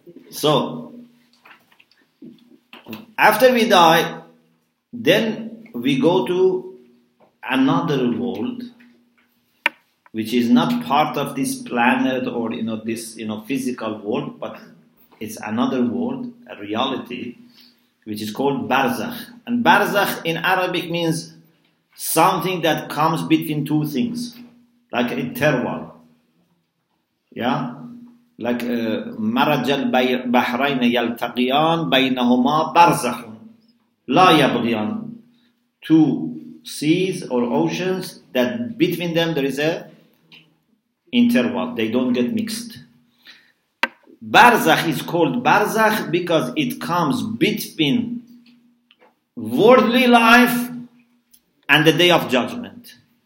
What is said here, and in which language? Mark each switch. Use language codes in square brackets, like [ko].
[en] So, after we die, then we go to another world, which is not part of this planet or, you know, this, you know, physical world, but it's another world, a reality, which is called barzakh. And barzakh in Arabic means something that comes between two things, like an interval. Yeah, like [ar] مرج البحرين يلتقيان بينهما برزخ لا يبغيان. [en] Two seas or oceans that between them there is a interval. They don't get mixed. Barzakh is called barzakh because it comes between worldly life and the day of judgment.